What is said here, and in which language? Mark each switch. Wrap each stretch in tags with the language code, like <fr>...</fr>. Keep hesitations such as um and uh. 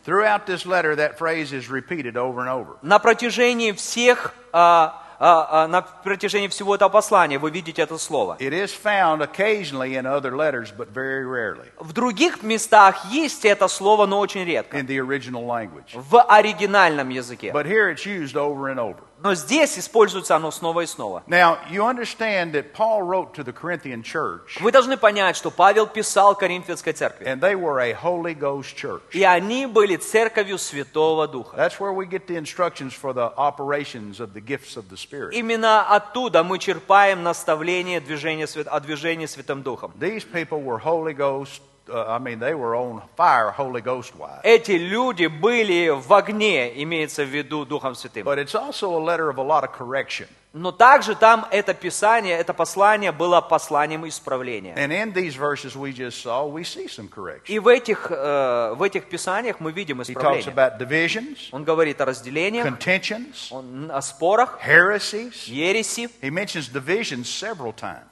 <en>This letter, that phrase is repeated over and over.</en> <ru>На протяжении всех uh, uh, uh, на протяжении всего этого послания вы видите это слово.</ru> <en>It is found occasionally in other letters, but very rarely.</en> <ru>В других местах есть это слово, но очень редко.</ru> <en>In the original language.</en> <ru>В оригинальном языке.</ru> <en>But here it's used over and over</en> <ru>но здесь используется оно снова и снова.</ru> <en>Now, you understand that Paul wrote to the Corinthian church,</en> <ru>Вы должны понять, что Павел писал Коринфянской церкви.</ru> <en>And they were a Holy Ghost church.</en> <ru>И они были церковью Святого Духа. Именно оттуда мы черпаем наставление о движении Святым Духом.</ru> <en>These people were Holy Ghost Uh, I mean, they were on fire, Holy Ghost wise.</en> <ru>Эти люди были в огне, имеется в виду Духом Святым.</ru> <en>But it's also a letter of a lot of correction.</en> <ru>Но также там это писание, это послание было посланием исправления. И в этих, в этих писаниях мы видим исправление. Он говорит о разделениях, он, о спорах, ереси.</ru>